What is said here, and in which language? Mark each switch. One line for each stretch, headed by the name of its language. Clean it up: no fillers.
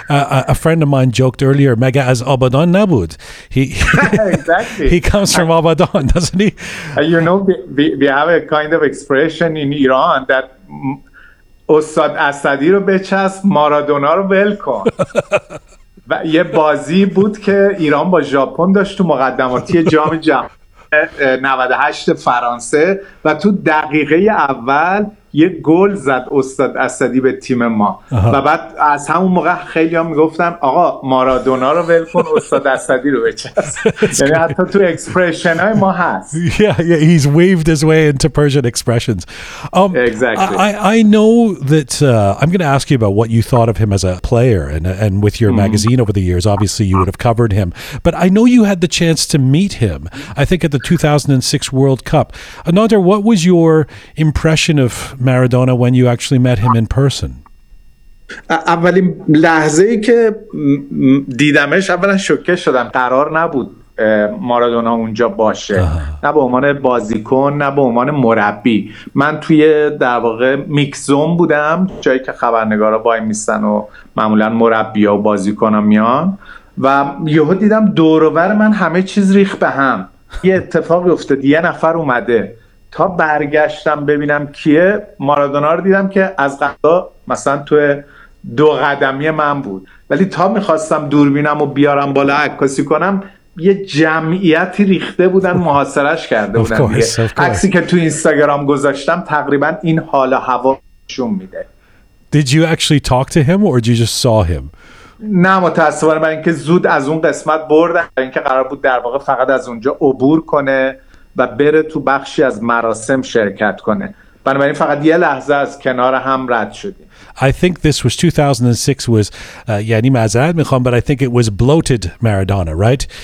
English: A friend of mine joked earlier,
Persian: Mega as Abadan Nabud.
English: Exactly. He comes from Abadan, doesn't he? You know, we have a kind of expression in Iran that
Persian: Ustad Asadi ro bechas, Maradona ro welcome. و یه بازی بود که ایران با ژاپن داشت تو مقدماتی جام جهانی 98 فرانسه و تو دقیقه اول یه گل زد استاد اسدی به تیم ما. و بعد از همون موقع خیلی هم میگفتن آقا مارادونا رو ول کن استاد اسدی رو بچست. یعنی حتی تو اکسپریشن های ما هست.
English: Yeah, he's waved his way into Persian expressions. Exactly. I know that I'm going to ask you about what you thought of him as a player and with your magazine over the years. Obviously, you would have covered him. But I know you had the chance to meet him, I think at the 2006 World Cup. Nader, what was your impression of Maradona when you actually met him in person?
Persian: اولین لحظه ای که دیدمش اولا شوکه شدم. قرار نبود مارادونا اونجا باشه. نه به عنوان بازیکن، نه به عنوان مربی. من توی در واقع میکزون بودم، جایی که خبرنگارا وای میستن و معمولا مربی ها و بازیکن ها میان، و یهو دیدم دوروبر من همه چیز ریخ به هم. یه اتفاقی افتاد، یه نفر اومده. تا برگشتم ببینم کیه، مارادونا رو دیدم که از قضا مثلا تو دو قدمی من بود، ولی تا میخواستم دوربینم رو بیارم بالا عکاسی کنم یه جمعیتی ریخته بودن محاصرش کرده بودن. عکسی که تو اینستاگرام گذاشتم تقریبا این حال و هوا نشون میده.
English: Did you actually talk to him or did you just saw him?
Persian: نه متاسفانه، من اینکه زود از اون قسمت بردم، اینکه قرار بود در واقع فقط از اونجا عبور کنه و بره تو بخشی از مراسم شرکت کنه. بنابراین فقط یه لحظه از کنار هم رد شدیم.
English: I think this was 2006 was
Persian: yani mazad mikham,
English: but I think it was bloated Maradona, right?